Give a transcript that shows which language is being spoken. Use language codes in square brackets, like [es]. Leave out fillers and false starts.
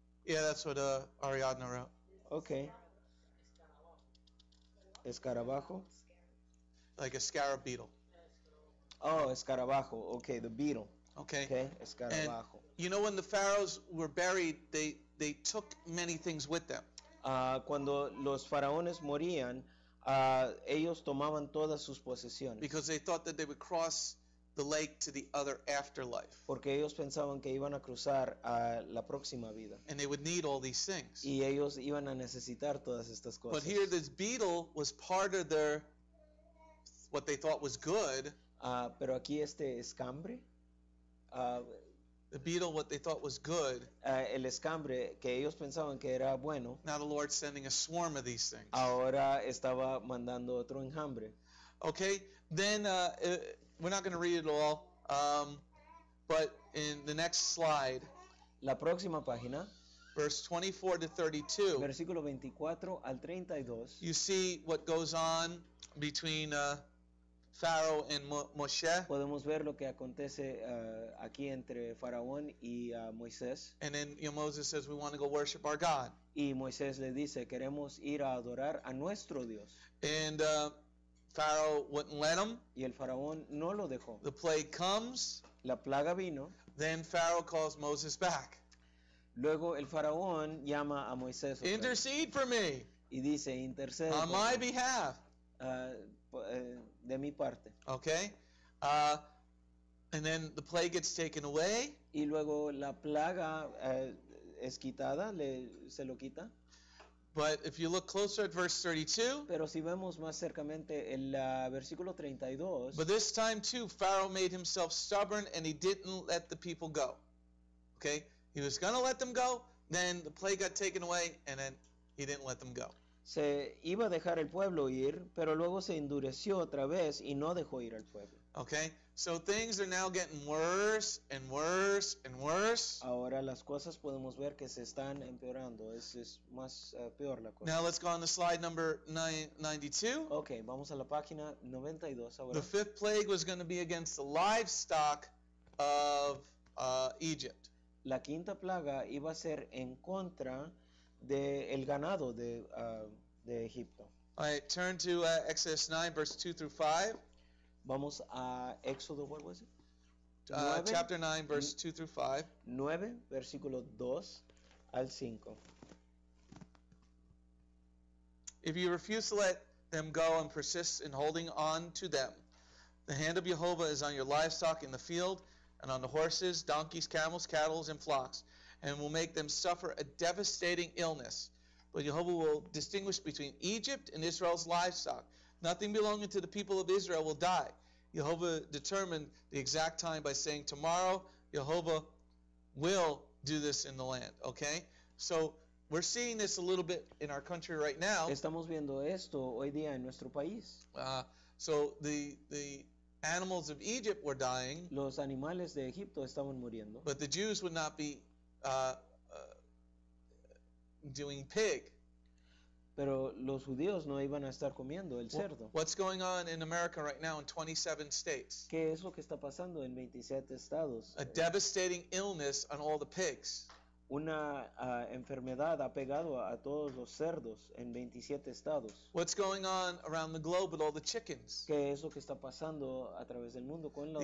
[en] Yeah, that's what Ariadna wrote. Okay. [es] Escarabajo. [en] Like a scarab beetle. Oh, escarabajo. Okay, the beetle. Okay. Okay, escarabajo. And you know when the pharaohs were buried, they took many things with them. [es] Cuando los faraones morían, ellos tomaban todas sus posesiones. [en] Because they thought that they would cross the lake to the other afterlife. [es] Porque ellos pensaban que iban a cruzar a la próxima vida. [en] And they would need all these things. [es] Y ellos iban a necesitar todas estas cosas. [en] But here this beetle was part of their what they thought was good. [es] Pero aquí este escambre. [en] The beetle what they thought was good. [es] El escambre que ellos pensaban que era bueno. [en] Now the Lord's sending a swarm of these things. [es] Ahora estaba mandando otro enjambre. [en] Okay, then we're not going to read it all, but in the next slide, [es] la próxima página, [en] verse 24 to 32, [es] versículo 24 al 32, [en] you see what goes on between Pharaoh and Moshe. [es] Podemos ver lo que acontece aquí entre Faraón y Moisés. [en] And then you know, Moses says, "We want to go worship our God." [es] Y Moisés le dice, queremos ir a adorar a nuestro Dios. [en] And Pharaoh wouldn't let him. [es] Y el faraón no lo dejó. [en] The plague comes. [es] La plaga vino. [en] Then Pharaoh calls Moses back. [es] Luego el faraón llama a Moisés. [en] Intercede for me. [es] Y dice, intercede. [en] On my behalf. [es] De mi parte. [en] Okay. And then the plague gets taken away. [es] Y luego la plaga es quitada. Se lo quita. [en] But if you look closer at verse 32, [es] pero si vemos más cercamente el versículo 32, [en] but this time too, Pharaoh made himself stubborn and he didn't let the people go. Okay? He was going to let them go, then the plague got taken away, and then he didn't let them go. [es] Se iba a dejar el pueblo ir, pero luego se endureció otra vez y no dejó ir al pueblo. [en] Okay? So things are now getting worse and worse and worse. [es] Ahora las cosas podemos ver que se están empeorando. Es más peor la cosa. [en] Now let's go on to slide number 92. [es] Okay, vamos a la página 92 ahora. [en] The fifth plague was going to be against the livestock of Egypt. [es] La quinta plaga iba a ser en contra de el ganado de Egipto. [en] All right, turn to Exodus 9, verse 2 through 5. [es] Vamos a Éxodo, [en] what was it? Chapter 9, verse 2 through 5. [es] 9, versículo 2 al 5. [en] If you refuse to let them go and persist in holding on to them, the hand of Jehovah is on your livestock in the field and on the horses, donkeys, camels, cattle, and flocks, and will make them suffer a devastating illness. But Jehovah will distinguish between Egypt and Israel's livestock. Nothing belonging to the people of Israel will die. Jehovah determined the exact time by saying, tomorrow Jehovah will do this in the land. Okay? So we're seeing this a little bit in our country right now. [es] Estamos viendo esto hoy día en nuestro país. [en] So the animals of Egypt were dying. [es] Los animales de Egipto estaban muriendo. [en] But the Jews would not be doing pig. [es] Pero los judíos no iban a estar comiendo el cerdo. [en] What's going on in America right now in 27 states? [es] ¿Qué es lo que está pasando en 27 estados? [en] A devastating illness on all the pigs. [es] Una enfermedad ha pegado a todos los cerdos en 27 estados. [en] What's going on around the globe with all the chickens? [es] ¿Qué es lo que está pasando a través del mundo con los